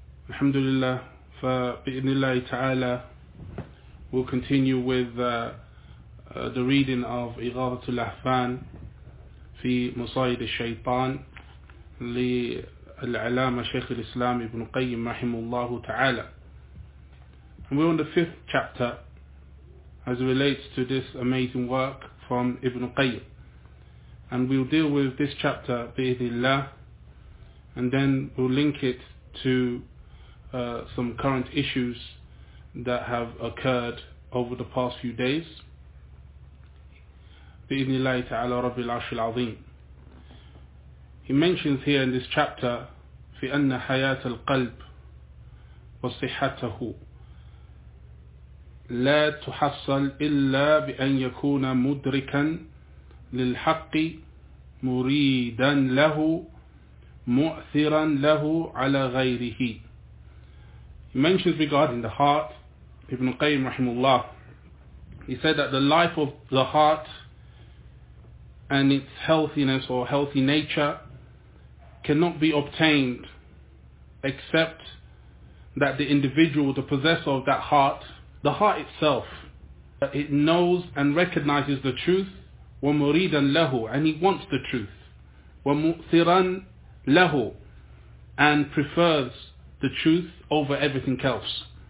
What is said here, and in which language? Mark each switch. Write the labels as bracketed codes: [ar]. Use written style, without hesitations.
[ar] الحمد لله فبإذن الله تعالى [en] we'll continue with the reading of [ar] إغاظة الأحفان في مصايد الشيطان للعلامة شيخ الإسلام ابن قيم رحمه الله تعالى. [en] We're on the fifth chapter as it relates to this amazing work from Ibn Qayyim. And we'll deal with this chapter [ar] بإذن الله [en] and then we'll link it to some current issues that have occurred over the past few days. [ar] بإذن الله تعالى رب العرش العظيم. [en] He mentions here in this chapter [ar] في أن حياة القلب وصحته لا تحصل إلا بأن يكون مدركا للحق مريدا له مؤثرا له على غيره. [en] He mentions regarding the heart, Ibn Qayyim rahimullah, he said that the life of the heart and its healthiness or healthy nature cannot be obtained except that the individual, the possessor of that heart, the heart itself, it knows and recognizes the truth, [ar] وَمُرِيدًا لَهُ, [en] and he wants the truth, [ar] وَمُؤْثِرًا لَهُ, [en] and prefers the truth over everything else.